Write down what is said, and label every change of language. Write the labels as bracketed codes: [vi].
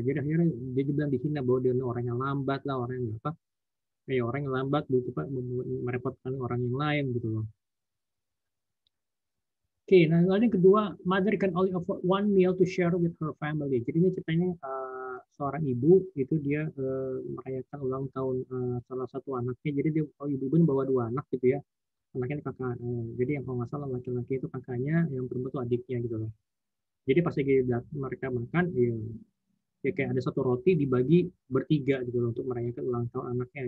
[id] Jadi akhirnya dia bilang dihina bahwa dia ini orang yang lambat lah, orang yang lambat gitu Pak, merepotkan orang yang lain gitu loh. Oke, nah lalu yang kedua, [en] mother can only afford one meal to share with her family. [id] Jadi ini ceritanya seorang ibu itu dia merayakan ulang tahun salah satu anaknya. Jadi dia ibu-ibu bawa dua anak gitu ya, anaknya ini kakak. Jadi yang kalau nggak salah laki-laki itu kakaknya, yang perempuan itu adiknya gitu loh. Jadi pas lagi mereka makan, ya kayak ada satu roti dibagi bertiga gitu loh untuk merayakan ulang tahun anaknya.